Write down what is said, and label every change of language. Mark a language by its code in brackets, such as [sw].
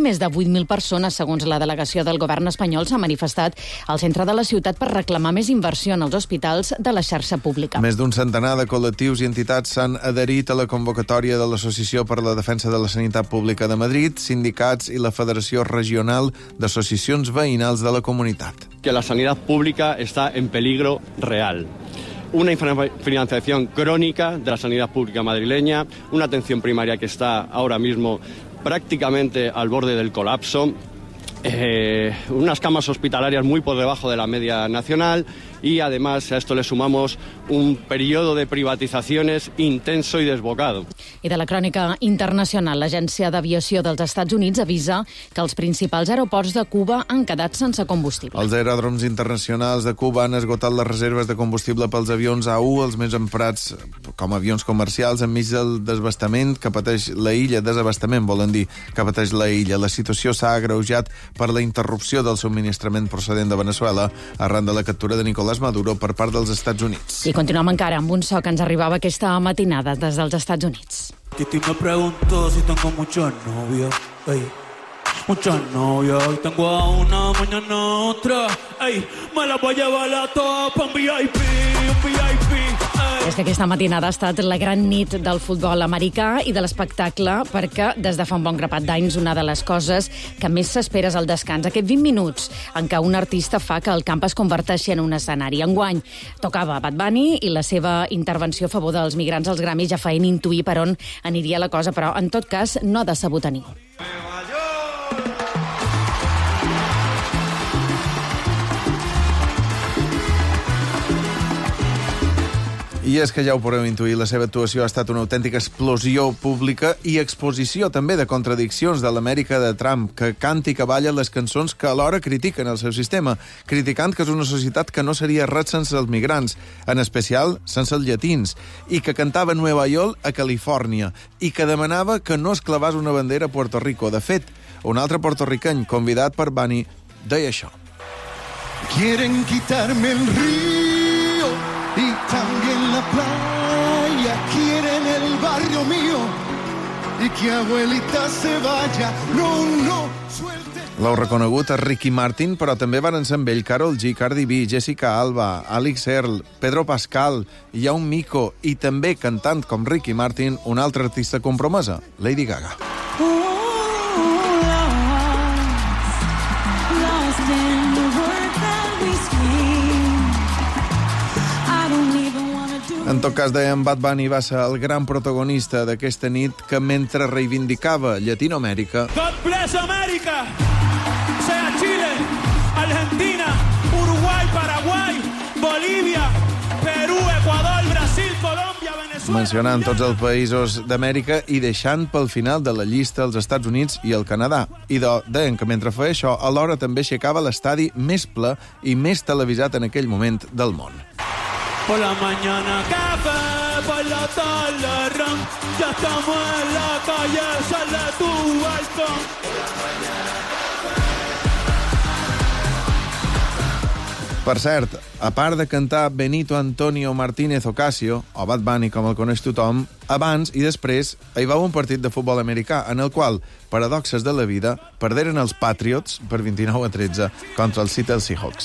[ca] Més de 8.000 persones, segons la delegació del govern espanyol, s'ha manifestat al centre de la ciutat per reclamar més inversió en els hospitals de la xarxa pública. Més d'un centenar de col·lectius i entitats s'han adherit a la convocatòria de l'Associació per la Defensa de la Sanitat Pública de Madrid, sindicats i la Federació Regional d'Associacions Veïnals de la Comunitat. [es] Que la sanitat pública està en peligro real. una infrafinanciación crónica de la sanidad pública madrileña, una atención primaria que está ahora mismo prácticamente al borde del colapso, unas camas hospitalarias muy por debajo de la media nacional y además a esto le sumamos un periodo de privatizaciones intenso y desbocado. [ca] I de la crònica internacional, l'Agència d'Aviació dels Estats Units avisa que els principals aeroports de Cuba han quedat sense combustible. Els aeròdroms internacionals de Cuba han esgotat les reserves de combustible pels avions A1, els més emprats com avions comercials, enmig del desabastament que pateix la illa. Desabastament, volen dir, que pateix la illa. La situació s'ha agreujat per la interrupció del subministrament procedent de Venezuela arran de la captura de Nicolás Maduro per part dels Estats Units. I continuem encara amb un so que ens arribava aquesta matinada des dels Estats Units. [es] Titi me pregunto si tengo muchos novios, ey. Muchos novios, tengo a una mañana otra, ey. Me la voy a llevar la top, un VIP, ey. [ca] Des d'aquesta matinada ha estat la gran nit del futbol americà i de l'espectacle, perquè des de fa un bon grapat d'anys una de les coses que més s'espera és el descans. Aquests 20 minuts en què un artista fa que el camp es converteixi en un escenari. Enguany tocava Bad Bunny i la seva intervenció a favor dels migrants als Grammys ja feien intuir per on aniria la cosa, però en tot cas no ha decebut a ningú. I és que ja ho podeu intuir, la seva actuació ha estat una autèntica explosió pública i exposició també de contradiccions de l'Amèrica de Trump, que canta i que balla les cançons que alhora critiquen el seu sistema, criticant que és una societat que no seria res sense els migrants, en especial sense els llatins, i que cantava Nueva York a Califòrnia, i que demanava que no es clavés una bandera a Puerto Rico. De fet, un altre porto-riqueny convidat per Bunny deia això. [es] Quieren quitarme el río y también la playa, quieren el barrio mío y que abuelita se vaya. No, no, suelte. [ca] L'heu reconegut a Ricky Martin, però també varen ser amb ell Karol G, Cardi B, Jessica Alba, Alix Earl, Pedro Pascal, hi ha un mico i també cantant com Ricky Martin un altre artista compromesa, Lady Gaga. En tot cas, dèiem, Bad Bunny va ser el gran protagonista d'aquesta nit que, mentre reivindicava Llatinoamèrica... [en] God bless America! [es] Sea Chile, Argentina, Uruguai, Paraguai, Bolívia, Perú, Ecuador, Brasil, Colòmbia, Venezuela... [ca] Mencionant tots els països d'Amèrica i deixant pel final de la llista els Estats Units i el Canadà. Idò, dèiem que mentre feia això, alhora també aixecava l'estadi més ple i més televisat en aquell moment del món. [es] Por la mañana café, por la tarde ron, ya estamos en la calle, sal de tu balcón. [ca] Per cert, a part de cantar Benito Antonio Martínez Ocasio, o Bad Bunny, com el coneix tothom, abans i després hi va un partit de futbol americà en el qual, paradoxes de la vida, perderen els Patriots per 29-13 contra el Seattle Seahawks.